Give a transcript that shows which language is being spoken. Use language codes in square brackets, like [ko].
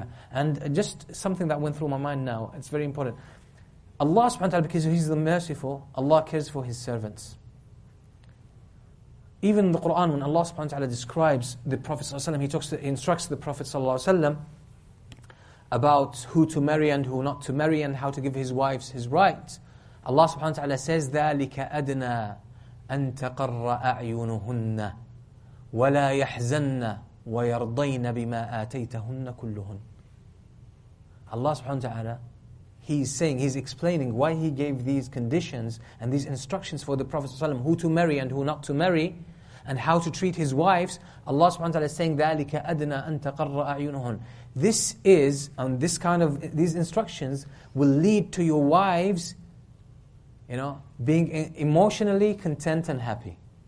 [en] And just something that went through my mind now, it's very important. Allah subhanahu wa ta'ala, because He's the merciful, Allah cares for His servants. Even in the Quran, when Allah subhanahu wa ta'ala describes the Prophet sallallahu alaihi wasallam, He instructs the Prophet sallallahu alaihi wasallam about who to marry and who not to marry and how to give his wives his rights. Allah subhanahu wa ta'ala says, [ar] ذَلِكَ أَدْنَى أَن تَقَرَّ أَعْيُنُهُنَّ وَلَا يَحْزَنَّ وَيَرْضَيْنَ بِمَا آتَيْتَهُنَّ كُلُّهُنَّ. [en] Allah subhanahu wa ta'ala, He's saying, He's explaining why He gave these conditions and these instructions for the Prophet ﷺ, who to marry and who not to marry, and how to treat his wives. Allah subhanahu wa ta'ala is saying, [ar] ذَلِكَ أَدْنَى أَن تَقَرَّ أَعْيُنُهُمْ. [en] This is, and this kind of, these instructions will lead to your wives, you know, being emotionally content and happy.